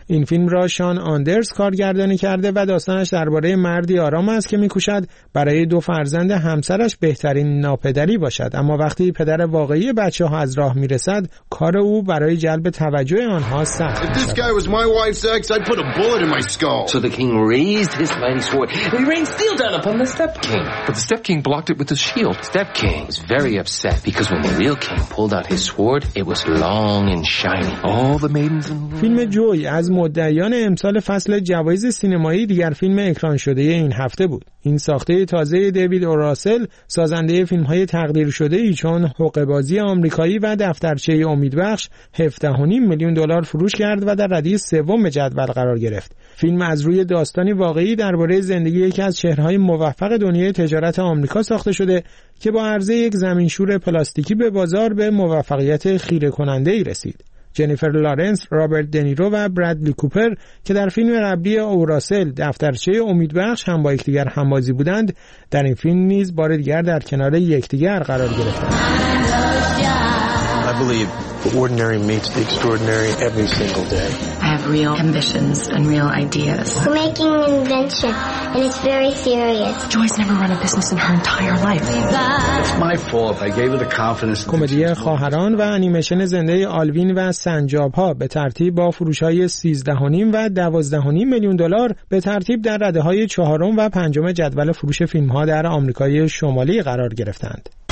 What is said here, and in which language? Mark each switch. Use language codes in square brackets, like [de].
[fa] این فیلم را شان آندرز کارگردانی کرده و داستانش درباره مردی آرام است که میکوشد برای 2 فرزند همسرش بهترین ناپدری باشد، اما وقتی پدر واقعی بچه ها از راه میرسد کار او برای جلب توجه آنها سخت میشود. [en] This mighty sword. We rained steel down upon the Step King. But the Step King blocked it with his shield. Step King was very upset because when the real king pulled out his sword, it was long and shiny. All the maidens in the world. [fa] فیلم جوی از مدعیان امسال فصل جوایز سینمایی دیگر فیلم اکران شده این هفته بود. این ساخته تازه دیوید اوراسل، سازنده فیلم‌های تقدیر شده ای چون حقه‌بازی آمریکایی و دفترچه امیدبخش، 17.5 میلیون دلار فروش کرد و در رده سوم جدول قرار گرفت. فیلم از روی داستانی واقعی درباره زندگی یکی از چهره‌های موفق دنیای تجارت آمریکا ساخته شده که با عرضه یک زمینشور پلاستیکی به بازار به موفقیت خیره‌کننده‌ای رسید. جنیفر لارنس، رابرت دنیرو و برادلی کوپر که در فیلم قبلی اوراسل دفترچه امیدبخش هم با یکدیگر همبازی بودند، در این فیلم نیز بار دیگر در کنار یکدیگر قرار گرفتند. [en] Ordinary meets the extraordinary every single day. I have real ambitions and real ideas. We're making an invention, and it's very serious. Joy's never run a business in her entire life. It's my fault. I gave her the confidence. [fa] کمدی خواهران و انیمیشن زنده آلوین و سنجاب ها به ترتیب با فروش های 13.5 و 12.5 میلیون دلار به ترتیب در رده های 4 و 5 جدول فروش فیلم ها در آمریکای شمالی قرار گرفتند.